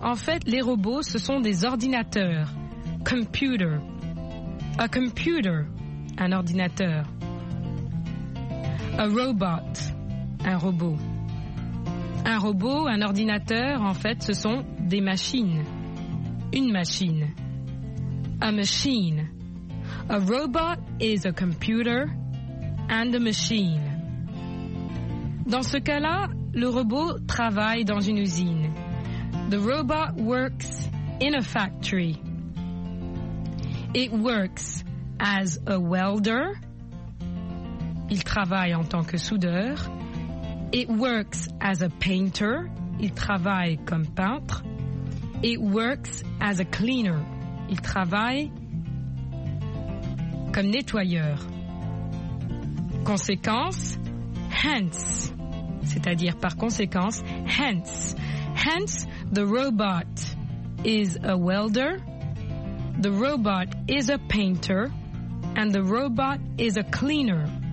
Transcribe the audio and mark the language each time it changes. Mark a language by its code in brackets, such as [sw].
[fr] En fait, les robots, ce sont des ordinateurs. Computer. [en] A computer, [fr] un ordinateur. [en] A robot, un robot. [fr] Un robot, un ordinateur, en fait, ce sont des machines. Une machine. [en] A machine. A robot is a computer and a machine. [fr] Dans ce cas-là, le robot travaille dans une usine. [en] The robot works in a factory. It works as a welder. [fr] Il travaille en tant que soudeur. [en] It works as a painter. [fr] Il travaille comme peintre. [en] It works as a cleaner. [fr] Il travaille comme nettoyeur. Conséquence, hence. C'est-à-dire par conséquence, hence. [en] Hence, the robot is a welder. The robot is a painter. And the robot is a cleaner.